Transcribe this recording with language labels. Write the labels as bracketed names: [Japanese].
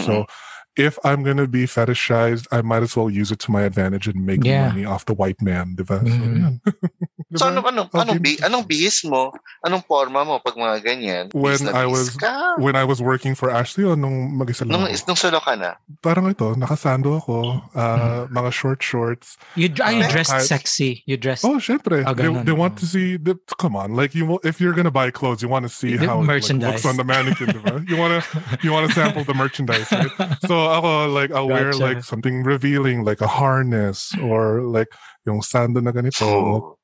[English] So if I'm gonna be fetishized, I might as well use it to my advantage and make money off the white man, [Filipino] diba? So anong bihis mo, anong forma mo pag mga ganyan? [English] When I was working for Ashley, [Filipino] o nung mag-isalo? Nung solo ka na? Parang ito, nakasando ako, mga short shorts. [English] You dressed sexy. You dressed... Oh, syempre. Oh, they want to see... come on. Like, if you're gonna buy clothes, you want to see how it like, looks on the mannequin, [Filipino] diba? [English] You want to sample the merchandise, right? [Filipino] So ako, [English] like, I'll wear like something revealing, like a harness or like [Filipino] yung sandal na ganito.